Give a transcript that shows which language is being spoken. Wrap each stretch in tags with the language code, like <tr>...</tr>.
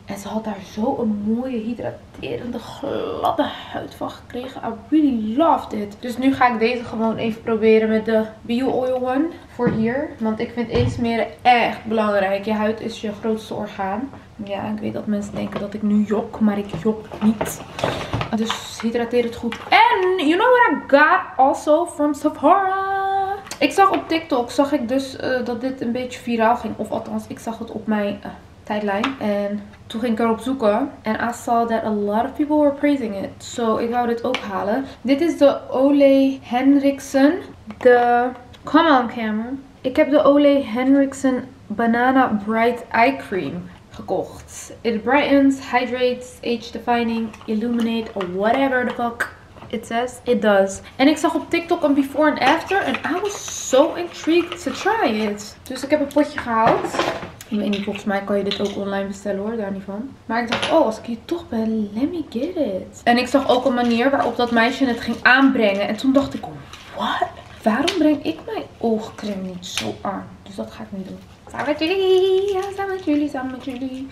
<nl>En ze had daar zo'n mooie hydraterende gladde huid van gekregen.</nl> <en>I really loved it.</en> <nl>Dus nu ga ik deze gewoon even proberen met de Bio Oil One voor hier. Want ik vind insmeren echt belangrijk. Je huid is je grootste orgaan. Ja, ik weet dat mensen denken dat ik nu jok, maar ik jok niet. Dus hydrateer het goed.</nl> <en>En you know what I got also from Sephora.</en> <nl>Ik zag op TikTok, zag ik dus dat dit een beetje viraal ging. Of althans, ik zag het op mijn tijdlijn. En toen ging ik erop zoeken.</nl> <en>En I saw that a lot of people were praising it.</en> <nl>So, ik wou dit ook halen. Dit is de Ole Henriksen. De...</nl> <en>Come on, camera.</en> <nl>Ik heb de Ole Henriksen Banana Bright Eye Cream gekocht.</nl> <en>It brightens, hydrates, age defining, illuminate, whatever the fuck. It says it does.</en> <nl>En ik zag op TikTok een</nl> <en>before and after. And I was so intrigued to try it.</en> <nl>Dus ik heb een potje gehaald. Ik weet niet, volgens mij kan je dit ook online bestellen hoor. Daar niet van. Maar ik dacht, oh, als ik hier toch ben,</nl> <en>let me get it.</en> <nl>En ik zag ook een manier waarop dat meisje het ging aanbrengen. En toen dacht ik, what? Waarom breng ik mijn oogcreme niet zo aan? Dus dat ga ik niet doen. Samen met jullie. Ja, samen met jullie. Samen met jullie.</nl>